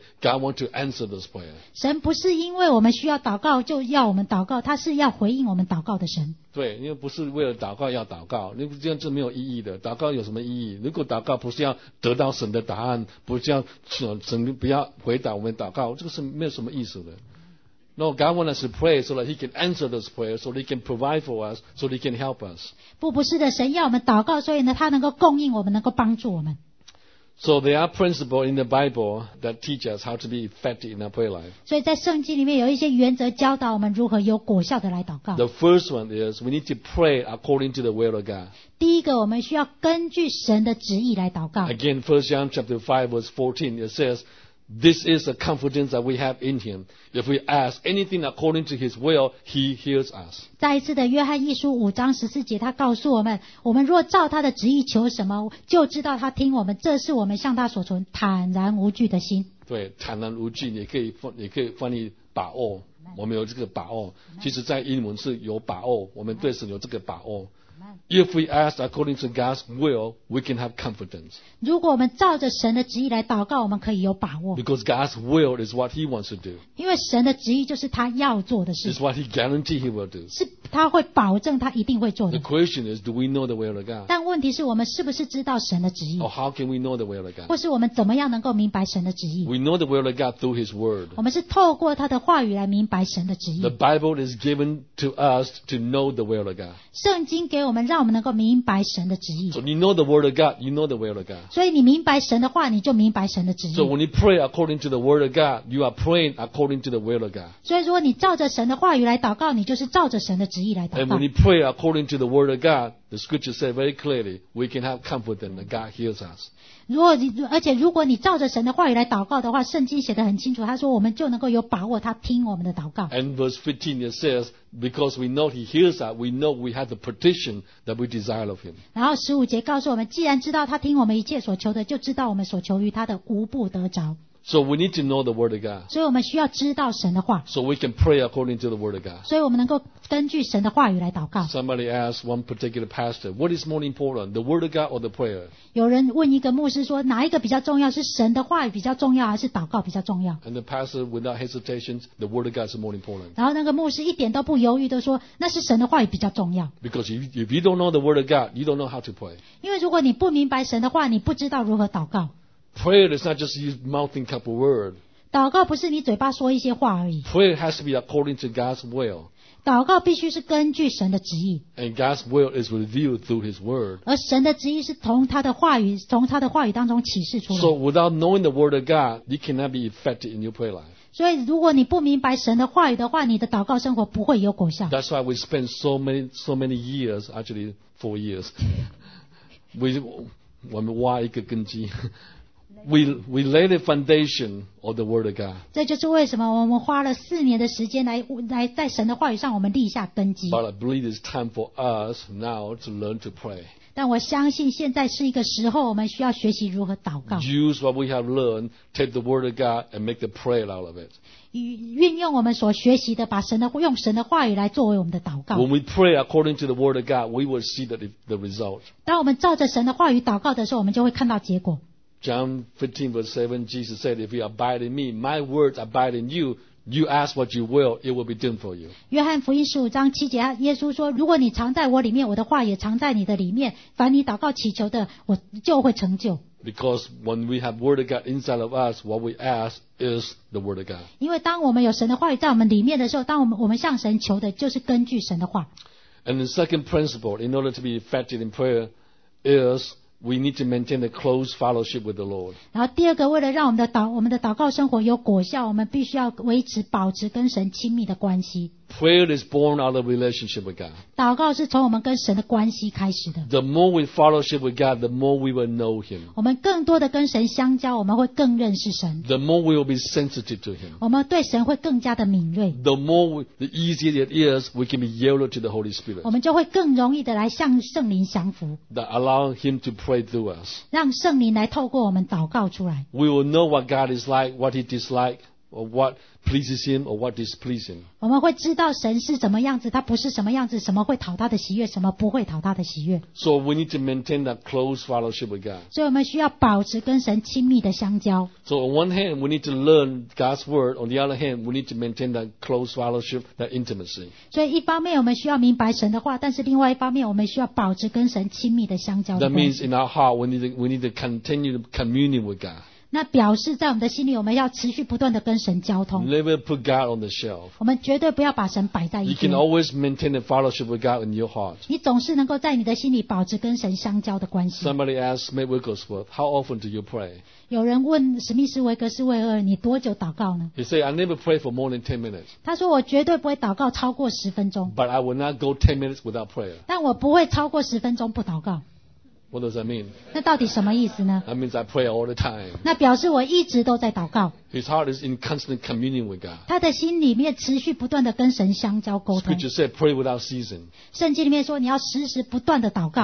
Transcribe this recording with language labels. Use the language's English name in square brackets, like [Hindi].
[English] God wants to answer this prayer. [Chinese] 神不是因为我们需要祷告就要我们祷告，他是要回应我们祷告的神。对，因为不是为了祷告要祷告，这样是没有意义的。祷告有什么意义？如果祷告不是要得到神的答案，不是要神不要回答我们祷告，这个是没有什么意思的。 [English] No, God wants us to pray so that He can answer this prayer, so that He can provide for us, so that He can help us. [Chinese] 不是的，神要我们祷告，所以呢，他能够供应我们，能够帮助我们。 [English] So there are principles in the Bible that teach us how to be effective in our prayer life. [Chinese] 所以在圣经里面有一些原则教导我们如何有果效的来祷告。 [English] The first one is we need to pray according to the will of God. [Chinese] 第一个，我们需要根据神的旨意来祷告。 [English] Again, 1 John chapter 5 verse 14, it says. This is the confidence that we have in Him. If we ask anything according to His will, He hears us. [Chinese] 再一次的，约翰一书五章十四节，他告诉我们，我们若照他的旨意求什么，就知道他听我们。这是我们向他所存坦然无惧的心。对，坦然无惧，你可以翻译把握。我们有这个把握，其实在英文是有把握，我们对神有这个把握。 [English] If we ask according to God's will, we can have confidence. [Chinese] 如果我们照着神的旨意来祷告，我们可以有把握。 [English] Because God's will is what He wants to do. [Chinese] 因为神的旨意就是他要做的事。 [English] It's what He guarantees He will do. [Chinese] 是他会保证他一定会做的。 [English] The question is, do we know the will of God? [Chinese] 但问题是我们是不是知道神的旨意 [English] ？Or how can we know the will of God? [Chinese] 或是我们怎么样能够明白神的旨意 [English] ？We know the will of God through His word. [Chinese] 我们是透过他的话语来明白神的旨意。 [English] The Bible is given to us to know the will of God. [Chinese] 圣经给我们让我们能够明白神的旨意。 [English] So you know the word of God, you know the will of God. [Chinese] 所以你明白神的话，你就明白神的旨意。 [English] So when you pray according to the word of God, you are praying according to the will of God. [Chinese] 所以如果你照着神的话语来祷告，你就是照着神的旨意来祷告。 [English] And when you pray according to the word of God, the scripture says very clearly, we can have confidence that God hears us. [Chinese] 如果而且如果你照着神的话语来祷告的话，圣经写得很清楚，他说我们就能够有把握他听我们的祷告。 [English] And verse 15 it says. Because we know He hears us, we know we have the petition that we desire of Him. [Chinese] 然后十五节告诉我们，既然知道他听我们一切所求的，就知道我们所求于他的无不得着。 [English] So we need to know the word of God. [Chinese] 所以我们需要知道神的话。 [English] So we can pray according to the word of God. [Chinese] 所以我们能够根据神的话语来祷告。 [English] Somebody asked one particular pastor, "What is more important, the word of God or the prayer?" [Chinese] 有人问一个牧师说，哪一个比较重要？是神的话语比较重要，还是祷告比较重要 [English] ？And the pastor, without hesitation, the word of God is more important. [Chinese] 然后那个牧师一点都不犹豫的说，那是神的话语比较重要。 [English] Because if you don't know the word of God, you don't know how to pray. [Chinese] 因为如果你不明白神的话，你不知道如何祷告。 [English] Prayer is not just you mouthing a couple words. [Chinese] 祷告不是你嘴巴说一些话而已。 [English] Prayer has to be according to God's will. [Chinese] 祷告必须是根据神的旨意。 [English] And God's will is revealed through His word. [Chinese] 而神的旨意是从他的话语，从他的话语当中启示出来。 [English] So without knowing the word of God, you cannot be effective in your prayer life. [Chinese] 所以如果你不明白神的话语的话，你的祷告生活不会有果效。 [English] That's why we spend so many years, actually 4 years. we [Chinese] 挖一个根基。 [English] We lay the foundation of the word of God. [Chinese] 这就是为什么我们花了四年的时间来在神的话语上我们立下根基。 [English] But I believe it's time for us now to learn to pray. [Chinese] 但我相信现在是一个时候，我们需要学习如何祷告。 [English] Use what we have learned, take the word of God, and make the prayer out of it. [Chinese] 运用我们所学习的，把神的用神的话语来作为我们的祷告。 [English] When we pray according to the word of God, we will see the result. [Chinese] 当我们照着神的话语祷告的时候，我们就会看到结果。 [English] John 15 verse 7, Jesus said, If you abide in me, my words abide in you. You ask what you will, it will be done for you. [Chinese] 约翰福音15章7节，耶稣说，如果你藏在我里面，我的话也藏在你的里面，凡你祷告祈求的，我就会成就。 [English] Because when we have word of God inside of us, what we ask is the word of God. [Chinese] 因为当我们有神的话语在我们里面的时候，当我们向神求的就是根据神的话。 [English] And the second principle, in order to be effective in prayer, is... We need to maintain a close fellowship with the Lord. [Chinese] 然后第二个，为了让我们的祷告生活有果效，我们必须要维持保持跟神亲密的关系。 [English] Prayer is born out of relationship with God. [Chinese] 祷告是从我们跟神的关系开始的。 [English] The more we fellowship with God, the more we will know Him. [Chinese] 我们更多的跟神相交，我们会更认识神。 [English] The more we will be sensitive to Him. [Chinese] 我们对神会更加的敏锐。 [English] The easier it is, we can be yielded to the Holy Spirit. [Chinese] 我们就会更容易的来向圣灵降服。 [English] That allow Him to pray through us. [Chinese] 让圣灵来透过我们祷告出来。 [English] We will know what God is like, what He dislikes. Or what pleases him, or what displeases him. [Chinese] 我们会知道神是怎么样子，他不是什么样子，什么会讨他的喜悦，什么不会讨他的喜悦。 [English] So we need to maintain that close fellowship with God. [Chinese] 所以我们需要保持跟神亲密的相交。 [English] So on one hand, we need to learn God's word. On the other hand, we need to maintain that close fellowship, that intimacy. [Chinese] 所以一方面我们需要明白神的话，但是另外一方面我们需要保持跟神亲密的相交的关系。 [English] That means in our heart, we need to continue to communion with God. [Chinese] 那表示在我们的心里，我们要持续不断的跟神交通。 [English] Never put God on the shelf. [Chinese] 我们绝对不要把神摆在一边。 [English] You can always maintain a fellowship with God in your heart. [Chinese] 你总是能够在你的心里保持跟神相交的关系。 [English] Somebody asked Smith Wigglesworth, "How often do you pray?" [Chinese] 有人问史密斯维格斯威尔，你多久祷告呢 [English] ？He said, "I never pray for more than 10 minutes." [Chinese] 他说我绝对不会祷告超过十分钟。 [English] But I will not go 10 minutes without prayer. [Chinese] 但我不会超过十分钟不祷告。 [English] What does that mean? [Chinese] 那到底什么意思呢 [English] ？That means I pray all the time. [Chinese] 那表示我一直都在祷告。 [English] His heart is in constant communion with God. [Chinese] 他的心里面持续不断的跟神相交沟通。 [English] Scripture said, "Pray without ceasing." [Chinese] 圣经里面说你要时时不断的祷告。